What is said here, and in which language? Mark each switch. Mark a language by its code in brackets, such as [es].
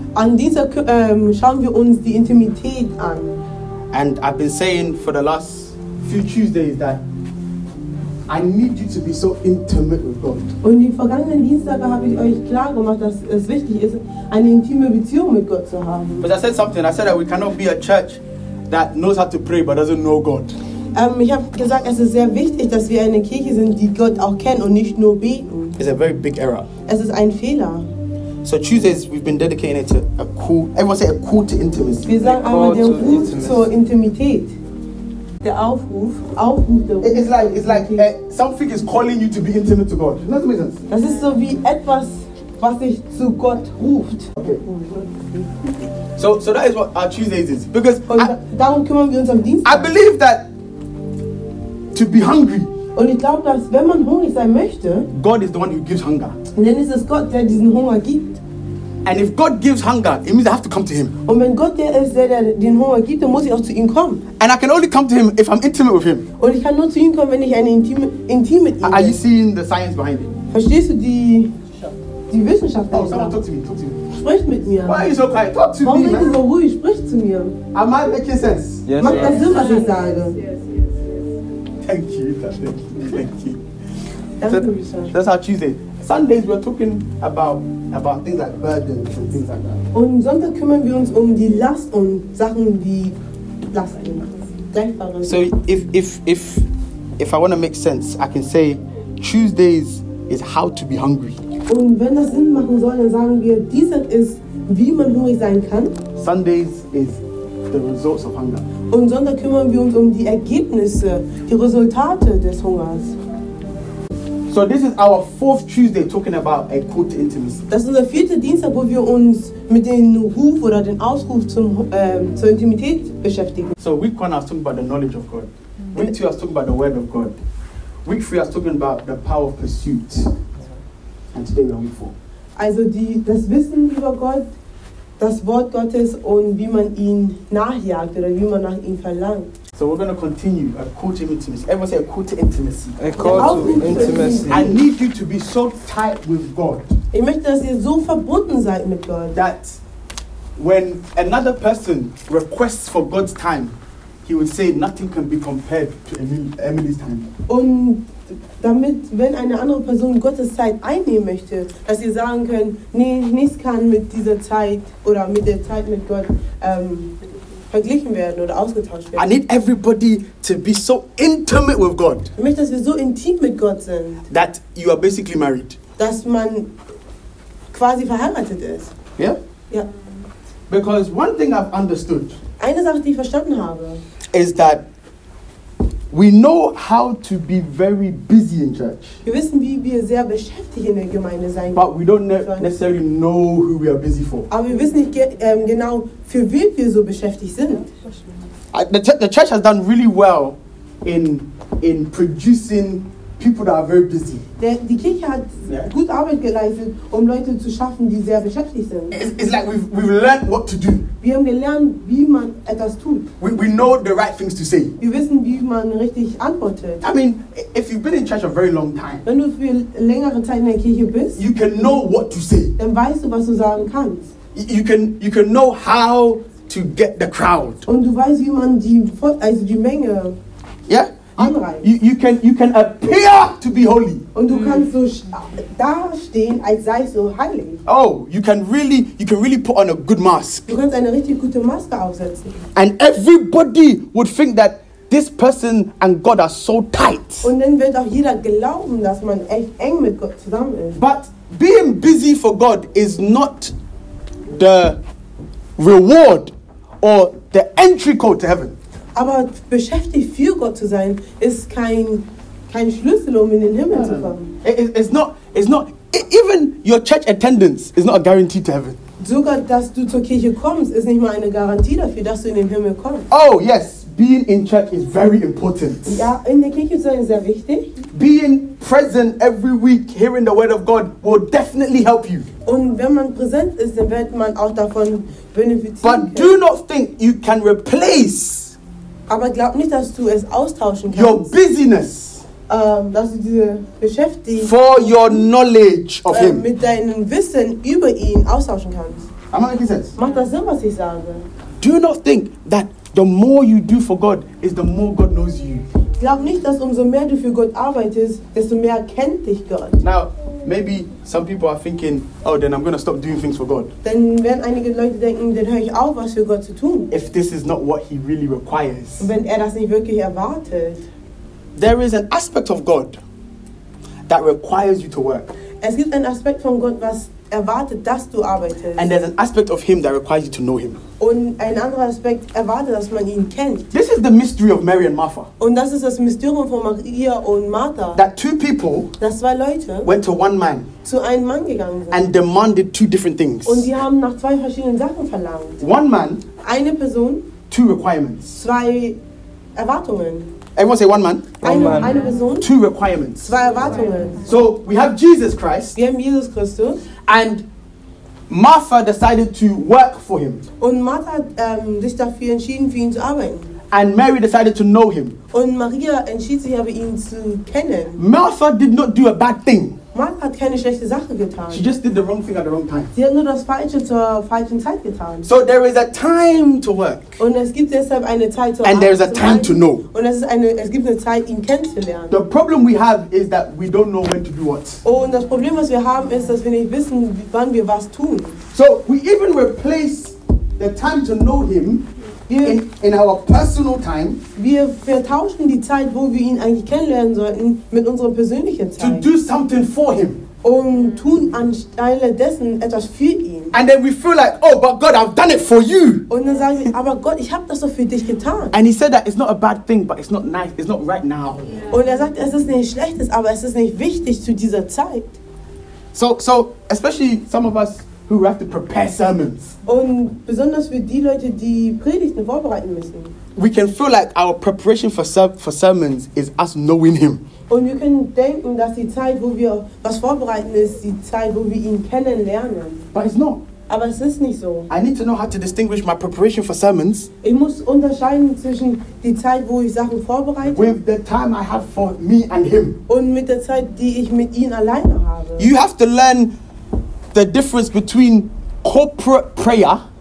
[de] An dieser schauen wir uns die Intimität an. [en] And I've been saying for the last few Tuesdays that I need you to be so intimate with God. [de] Und die vergangenen Dienstage habe ich euch klar gemacht, dass es wichtig ist, eine intime Beziehung mit Gott zu haben. [en] But I said something. I said that we cannot be a church that knows how to pray but doesn't know God. [de] Ich habe gesagt, es ist sehr wichtig, dass wir eine Kirche sind, die Gott auch kennt und nicht nur beten. [en] It's a very big error. [de] Es ist ein Fehler. [en] So Tuesdays we've been dedicating it to a call. Everyone say a call to intimacy. [de] Wir sagen einmal den Ruf zur Intimität. Der Aufruf, [en] It's like something is calling you to be intimate to God. Doesn't make sense. [de] Das ist so wie etwas, was dich zu Gott ruft. [en] Okay. So that is what our Tuesdays is. Because [de] darum kümmern wir uns am Dienstag. [en] I believe that to be hungry. [de] Und ich glaube, dass wenn man hungrig sein möchte, [en] God is the one who gives hunger. [de] Und dann ist es Gott, der diesen Hunger gibt. [en] And if God gives hunger, it means I have to come to him. [de] Und wenn Gott der ist, der den Hunger gibt, dann muss ich auch zu ihm kommen. [en] And I can only come to him if I'm intimate with him. [de] Und ich kann nur zu ihm kommen, wenn ich eine intim mit ihm bin. [en] Are you seeing the science behind it? [de] Verstehst du die Wissenschaft dahinter? [en] Oh, someone talk to me. [de] Sprich mit mir. [en] Why are you so quiet? Talk to [de] Warum [en] me, man. [de] Warum bist du so ruhig? Sprich zu mir. [en] Am I making sense? Yes. [de] Macht das Sinn, was ich sage? [en] Yes. Thank you. [de] Danke, [en] so, that's our Tuesday. Sundays we're talking about things like burdens and things like that. [de] Und Sonntag kümmern wir uns um die Last und Sachen, die Last machen. [en] So if I want to make sense, I can say Tuesdays is how to be hungry. [de] Und wenn das Sinn machen soll, dann sagen wir, Dienstag ist, wie man hungrig sein kann. [en] Sundays is the results of hunger. [de] Und Sonntag kümmern wir uns um die Ergebnisse, die Resultate des Hungers. [en] So this is our fourth Tuesday talking about a call to intimacy. [de] Das ist unser vierter Dienstag, wo wir uns mit dem Ruf oder dem Ausruf zur Intimität beschäftigen. [en] So week one I was talking about the knowledge of God. Week two I was talking about the word of God. Week three I was talking about the power of pursuit. And today we're on week four. [de] Also das Wissen über Gott, das Wort Gottes und wie man ihn nachjagt oder wie man nach ihm verlangt. [en] So we're going to continue a call to intimacy. Everyone say a call to intimacy. A call to intimacy. I need you to be so tight with God. [de] Ich möchte, dass ihr so verbunden seid mit Gott. [en] That when another person requests for God's time, he would say nothing can be compared to Emily's time. [de] Und damit, wenn eine andere Person Gottes Zeit einnehmen möchte, dass sie sagen können, nee, nichts kann mit dieser Zeit oder mit der Zeit mit Gott verglichen werden oder ausgetauscht werden. [en] I need everybody to be so intimate with God. [de] Ich möchte, dass wir so intim mit Gott sind. [en] That you are basically married. [de] Dass man quasi verheiratet ist. [en] Yeah? [de] Ja. [en] Because one thing I've understood. [de] Eine Sache, die ich verstanden habe, [en] is that we know how to be very busy in church. [de] Wir wissen, wie wir sehr beschäftigt in der Gemeinde sein. [en] But we don't necessarily know who we are busy for. [de] Aber wir wissen nicht genau, für wen wir so beschäftigt sind. [en] The church has done really well in producing people that are very busy. [de] Die Kirche hat gut Arbeit geleistet, um Leute zu schaffen, die sehr beschäftigt sind. [en] It's like we've learned what to do. [de] Wir haben gelernt, wie man etwas tut. [en] We know the right things to say. [de] Wir wissen, wie man richtig antwortet. [en] I mean, if you've been in church a very long time, [de] wenn du für längere Zeit in der Kirche bist, [en] you can know what to say. [de] Dann weißt du, was du sagen kannst. [en] You can know how to get the crowd. [de] Und du weißt, wie man die Menge. [en] Yeah. You can appear to be holy. [de] Und du kannst so dastehen, als sei so heilig. [en] Oh, you can really put on a good mask. [de] Du kannst eine richtig gute Maske aufsetzen. [en] And everybody would think that this person and God are so tight. [de] Und dann wird auch jeder glauben, dass man echt eng mit Gott zusammen ist. [en] But being busy for God is not the reward or the entry code to heaven. [de] Aber beschäftigt für Gott zu sein, ist kein Schlüssel, um in den Himmel zu kommen. [en] It's not even your church attendance is not a guarantee to heaven. [de] Sogar, dass du zur Kirche kommst, ist nicht mal eine Garantie dafür, dass du in den Himmel kommst. [en] Oh, yes, being in church is very important. [de] Ja, in der Kirche zu sein ist sehr wichtig. [en] Being present every week hearing the word of God will definitely help you. [de] Und wenn man präsent ist, dann wird man auch davon benefitieren. [en] But do not think you can replace. [de] Aber glaub nicht, dass du es austauschen kannst. [en] Your busyness. [de] Dass du diese beschäftigst. [en] For your knowledge of him. [de] Mit deinem Wissen über ihn austauschen kannst. [en] Am I making sense? [de] Macht das Sinn, was ich sage? [en] Do not think that the more you do for God is the more God knows you. [de] Glaub nicht, dass umso mehr du für Gott arbeitest, desto mehr kennt dich Gott. [en] Now, maybe some people are thinking, oh, then I'm going to stop doing things for God. [de] Dann werden einige Leute denken, dann höre ich auf, was für Gott zu tun. [en] If this is not what he really requires. [de] Und wenn das nicht wirklich erwartet. [en] There is an aspect of God that requires you to work. [de] Es gibt einen Aspekt von Gott, was erwartet, dass du arbeitest. [en] And there's an aspect of him that requires you to know him. [de] Und ein anderer Aspekt erwartet, dass man ihn kennt. [en] This is the mystery of Mary and Martha. [de] Und das ist das Mysterium von Maria und Martha. [en] That two people, [de] dass zwei Leute, [en] went to one man, [de] zu einem Mann gegangen sind, [en] and demanded two different things. [de] Und sie haben nach zwei verschiedenen Sachen verlangt. [en] One man, [de] eine Person, [en] two requirements, [de] zwei Erwartungen. [en] Everyone say one man. [de] Eine Person. [en] Two requirements. [de] Zwei Erwartungen. [en] So we have Jesus Christ. [de] Wir haben Jesus Christus. [en] And Martha decided to work for him. [de] Und Martha sich dafür entschieden, für ihn zu arbeiten. [en] And Mary decided to know him. [de] Und Maria entschied sich, aber ihn zu kennen. [en] Martha did not do a bad thing. [de] Martha hat keine schlechte Sache getan. [en] She just did the wrong thing at the wrong time. [de] Sie hat nur das Falsche zur falschen Zeit getan. [en] So there is a time to work. [de] Und es gibt deshalb eine Zeit zu [en] And there is a time to know. [de] Und es gibt eine Zeit, ihn kennenzulernen. [en] The problem we have is that we don't know when to do what. [de] Und das Problem, was wir haben, ist, dass wir nicht wissen, wann wir was tun. [en] So we even replace the time to know him. In our personal time, [de] wir vertauschen die Zeit, wo wir ihn eigentlich kennenlernen sollten, mit unserer persönlichen Zeit. [en] To do something for him. [de] Und tun anstelle dessen etwas für ihn. [en] And then we feel like, oh, but God, I've done it for you. [de] Und dann sagen wir, aber Gott, ich habe das doch für dich getan. [en] And he said that it's not a bad thing, but it's not nice, it's not right now. Yeah. [de] Und sagt, es ist nicht schlechtes, aber es ist nicht wichtig zu dieser Zeit. [en] So especially some of us who have to prepare sermons. [de] Und besonders für die Leute, die Predigten vorbereiten müssen. [en] We can feel like our preparation for sermons is us knowing him. [de] Und wir können denken, dass die Zeit, wo wir was vorbereiten, ist die Zeit, wo wir ihn kennenlernen. [en] But it's not. [de] Aber es ist nicht so. [en] I need to know how to distinguish my preparation for sermons. [de] Ich muss unterscheiden zwischen die Zeit, wo ich Sachen vorbereite. [en] With the time I have for me and him. [de] Und mit der Zeit, die ich mit ihm alleine habe. [en] You have to learn the difference between corporate prayer.